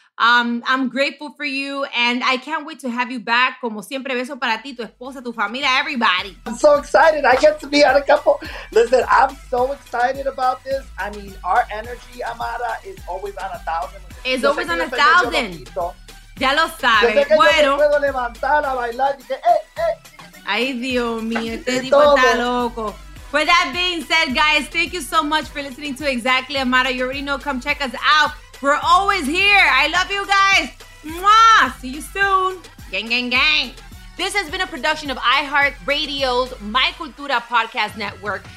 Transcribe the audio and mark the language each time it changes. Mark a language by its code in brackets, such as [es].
[en] I'm grateful for you, and I can't wait to have you back. [es] Como siempre, beso para ti, tu esposa, tu familia, everybody. [en] I'm so excited. I get to be on a couple. Listen, I'm so excited about this. I mean, our energy, Amara, is always on 1,000. It's always on 1,000. [es] Ya lo sabes. Yo sé que yo me puedo levantar a bailar y que, Ay, Dios mío, este tipo está loco. [en] With that being said, guys, thank you so much for listening to Exactly Amara. You already know, come check us out. We're always here. I love you guys. Mwah! See you soon. Gang, gang, gang. This has been a production of iHeartRadio's My Cultura Podcast Network.